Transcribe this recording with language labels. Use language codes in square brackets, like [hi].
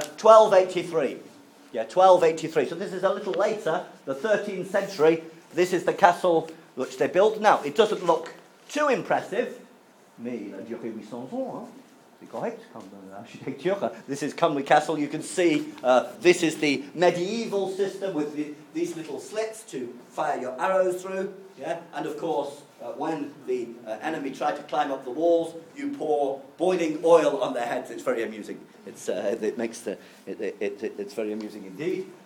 [en] 1283. Yeah, 1283. So this is a little later, the 13th century. This is the castle which they built. Now it doesn't look too impressive. [fr] Mais il a duré 800 ans, hein? C'est correct, comme architecture. [en] This is Conwy Castle. You can see this is the medieval system with these little slits to fire your arrows through. Yeah, and of course, when the enemy tried to climb up the walls, you pour boiling oil on their heads. It's very amusing. It's very amusing indeed.